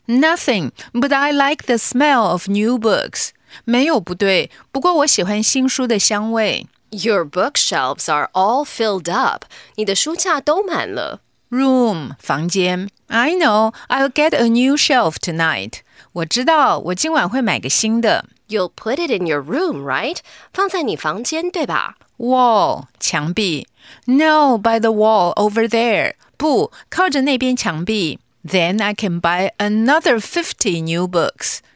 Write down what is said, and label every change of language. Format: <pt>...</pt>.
<en>Nothing, but I like the smell of new books.</en> <zh>没有不对，不过我喜欢新书的香味。</zh> <en>Your bookshelves are all filled up.</en> <zh>你的书架都满了。</zh> <en>Room, 房间。 I know, I'll get a new shelf tonight.</en> <zh>我知道，我今晚会买个新的。</zh> <en>You'll put it in your room, right?</en> <zh>放在你房间，对吧？</zh> <en>Wall, 墙壁。No, by the wall over there.</en> <zh>不，靠着那边墙壁。</zh> <en>Then I can buy another 50 new books.</en>